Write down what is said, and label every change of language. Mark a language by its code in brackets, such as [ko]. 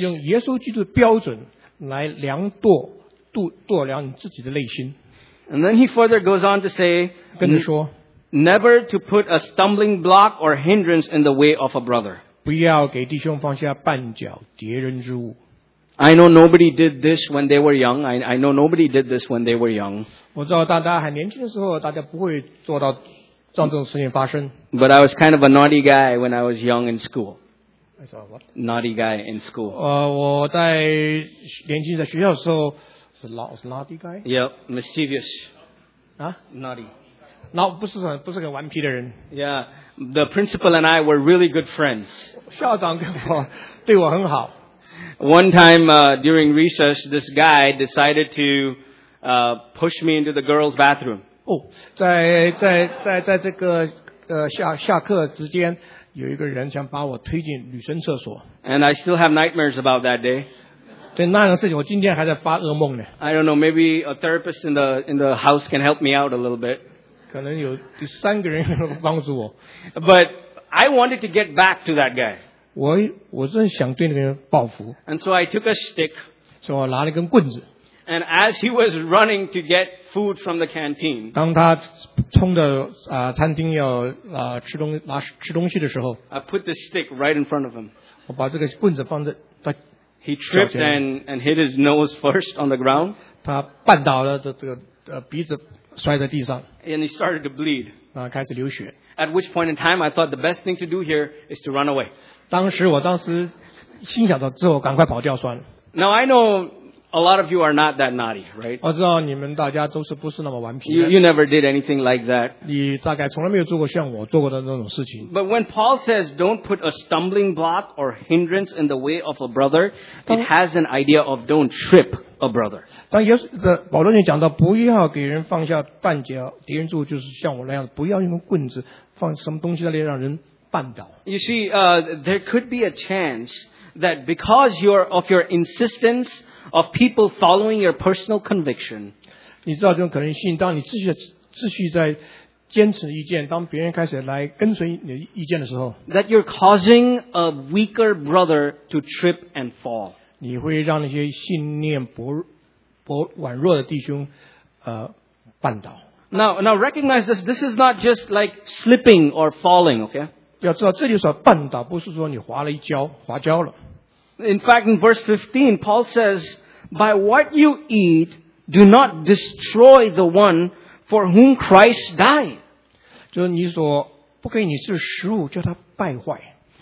[zh] 用耶稣基督的标准来量度量你自己的内心。 [en] And then he further goes on to say, [zh] 跟着说 [en] never to put a stumbling block or hindrance in the way of a brother. [zh] 不要给弟兄放下绊脚敌人之物。 [en] I know nobody did this when they were young. I know nobody did this when they were young. [zh] 我知道大家还年轻的时候，大家不会做到让这种事情发生。 [en] But I was kind of a naughty guy when I was young in school. I saw what? Naughty guy in school. [zh] 我在年轻在学校的时候是 [en] naughty guy. Yep, mischievous. 啊，naughty. [zh] 那不是个顽皮的人。 [en] Yeah, the principal and I were really good friends. [zh] 校长跟我对我很好。 [en] One time, during recess, this guy decided to, push me into the girls' bathroom. [zh] Oh, 在这个下课之间，有一个人想把我推进女生厕所。 [en] And I still have nightmares about that day. [zh] 对那样的事情，我今天还在发噩梦呢。 [en] I don't know, maybe a therapist in the house can help me out a little bit. [zh] 可能有第三个人能够帮助我。 [en] But I wanted to get back to that guy. [zh] 我真的想对那个人报复。 [en] And so I took a stick. [zh] 所以我拿了一根棍子。 [en] And as he was running to get food from the canteen. [zh] 当他冲着餐厅要吃东西的时候。 [en] I put the stick right in front of him. [zh] 我把这个棍子放在他。 [en] He tripped and hit his nose first on the ground. [zh] 他绊倒了这个鼻子摔在地上。 [en] And he started to bleed. [zh] 开始流血。 [en] At which point in time, I thought the best thing to do here is to run away. [zh] 当时我当时心想到之后赶快跑掉算了。 [en] Now I know A lot of you are not that naughty, right? [zh] 我知道你们大家都是不是那么顽皮的。 [en] You never did anything like that. [zh] 你大概从来没有做过像我做过的那种事情。 [en] But when Paul says, don't put a stumbling block or hindrance in the way of a brother, it has an idea of don't trip a brother. [zh] 当耶稣的保罗就讲到不要给人放下绊脚，敌人做就是像我那样，不要用棍子放什么东西在那里让人绊倒。 [en] You see, there could be a chance that because of your insistence,of people following your personal conviction. [zh] 你知道这种可能性，当你继续在坚持意见，当别人开始来跟随你意见的时候， [en] that you're causing a weaker brother to trip and fall. [zh] 你会让那些信念软弱的弟兄绊倒。 [en] Now recognize this. This is not just like slipping or falling, okay? [zh] 要知道这里所绊倒不是说你滑了一跤，滑跤了。 [en] In fact, in verse 15, Paul says, by what you eat, do not destroy the one for whom Christ died. [zh] 就是你所不给你吃食物叫他败坏。